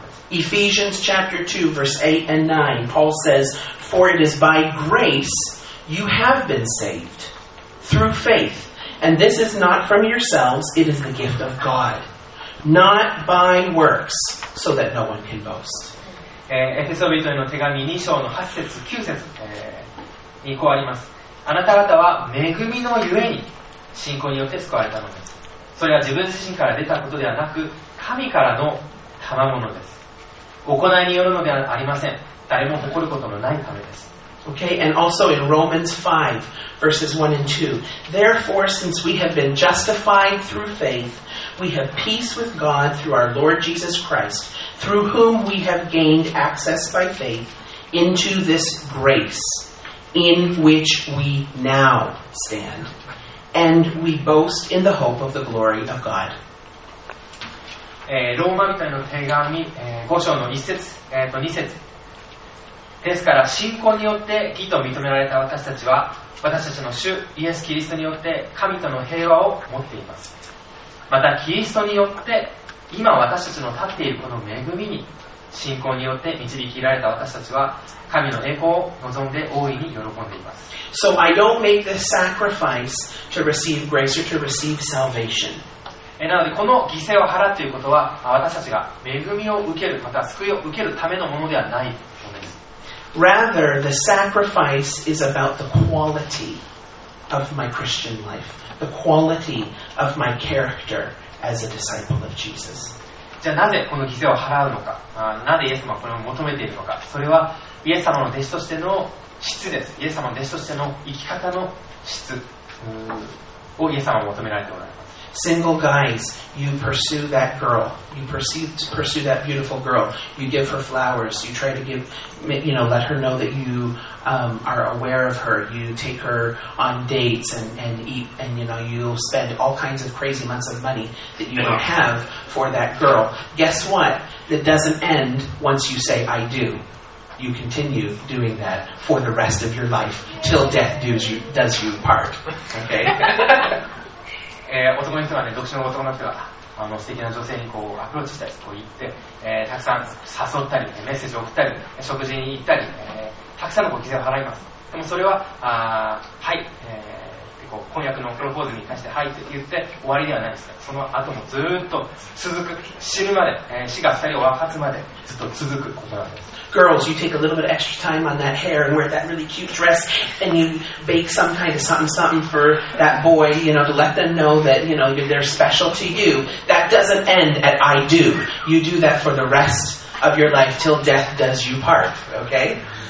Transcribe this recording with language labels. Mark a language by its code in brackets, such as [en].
[en] Ephesians chapter 2 verse 8 and 9 Paul says For it is by grace you have been saved through faith and this is not from yourselves it is the gift of God not by works so that no one can boast [ja] エペソ人への手紙2章の8節9節、にこうありますあなた方は恵みのゆえに信仰によって救われたのですそれは自分自身から出たことではなく神からの賜物です。行いによるのではありません。誰も誇ることのないためです。 [en] Okay, and also in Romans 5, verses 1 and 2. Therefore, since we have been justified through faith, we have peace with God through our Lord Jesus Christ, through whom we have gained access by faith into this grace in which we now stand. And we boast in the hope of the glory of God. [ja] ローマ人への手紙、5章の1節、2節ですから信仰によって義と認められた私たちは私たちの主イエス・キリストによって神との平和を持っていますまたキリストによって今私たちの立っているこの恵みに信仰によって導きられた私たちは神の栄光を望んで大いに喜んでいます [en] So I don't make the sacrifice to receive grace or to receive salvation [ja] なのでこの犠牲を払うということは私たちが恵みを受けるまた救いを受けるためのものではないものです。 Rather, the sacrifice is about the quality of my Christian life, the quality of my character as a disciple of Jesus. じゃあなぜこの犠牲を払うのか、なぜイエス様はこれを求めているのか、それはイエス様の弟子としての質です。イエス様の弟子としての生き方の質をイエス様は求められておられます。 [en] Single guys, you pursue that girl. You pursue that beautiful girl. You give her flowers. You try to give, you know, let her know that you、are aware of her. You take her on dates and eat, and you know, you spend all kinds of crazy amounts of money that you don't have for that girl. Guess what? That doesn't end once you say, I do. You continue doing that for the rest of your life till death does you part. Okay? [ja] 男の人はね、独身の男の人が、あの素敵な女性にこうアプローチしたり、こう言って、たくさん誘ったり、メッセージを送ったり、食事に行ったり、たくさんのご犠牲を払います。でもそれは、はい、こう婚約のプロポーズに対してはいと言って終わりではないです。その後もずっと続く、死ぬまで、死が二人を分かつまでずっと続くことなんです。 [en] Girls, you take a little bit of extra time on that hair and wear that really cute dress and you bake some kind of something for that boy, you know, to let them know that, you know, they're special to you. That doesn't end at I do. You do that for the rest of your life till death does you part, okay?